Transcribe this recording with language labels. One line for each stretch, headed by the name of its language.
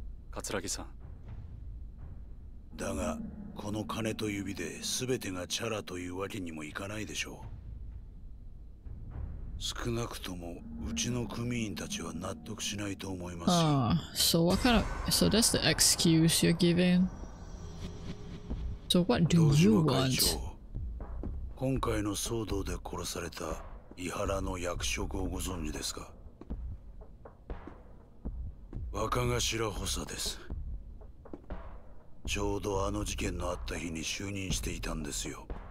Japanese: 葛城さん、だがこの金と指で全てがチャラというわけにもいかないでしょう。少なくともうちの組員たちは納得しないと思いますよ。
English: So what kind of, so that's the excuse you're giving? So what do you want?
Japanese: 今回の騒動で殺された伊原の役職をご存知ですか？若頭補佐です。ちょうどあの事件のあった日に就任していたんですよ。